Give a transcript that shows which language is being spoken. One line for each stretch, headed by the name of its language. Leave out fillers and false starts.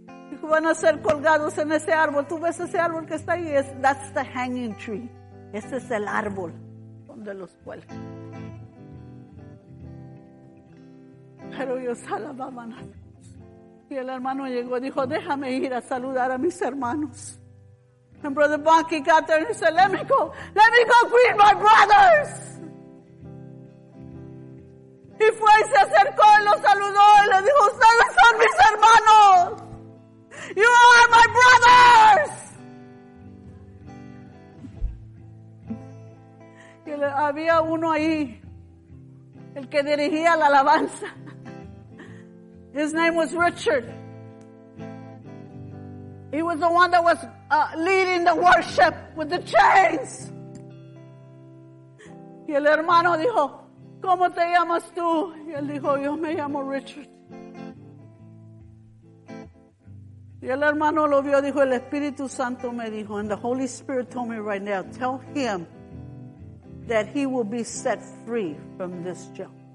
Spanish: Dijo, van a ser colgados en ese árbol. ¿Tú ves ese árbol que está ahí? That's the hanging tree. Ese es el árbol donde los cuelgan. Pero ellos alababan a Dios. Y el hermano llegó y dijo, déjame ir a saludar a mis hermanos.
English: And Brother Bonky got there and he said, let me go. Let me go greet my brothers.
Spanish: Y fue y se acercó y lo saludó y le dijo, ustedes son mis hermanos.
English: You are my brothers.
Spanish: Y había uno ahí, el que dirigía la alabanza.
English: His name was Richard. He was the one that was leading the worship with the chains.
Spanish: Y el hermano dijo, ¿cómo te llamas tú? Y él dijo, yo me llamo Richard. Y el hermano lo vio, dijo, el Espíritu Santo me dijo,
English: and the Holy Spirit told me right now, tell him that he will be set free from this jail.